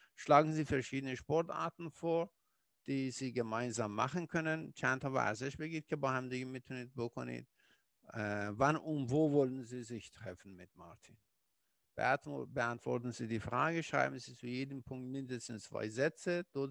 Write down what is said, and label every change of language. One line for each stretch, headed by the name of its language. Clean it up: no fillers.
German: Schlagen Sie verschiedene Sportarten vor, die Sie gemeinsam machen können.
Persian: چند تا ورزش بگید که با هم دیگه میتونید بکنید.
German: Wann und wo wollen Sie sich treffen mit Martin? Beantworten Sie die Frage, schreiben Sie zu jedem Punkt mindestens zwei Sätze.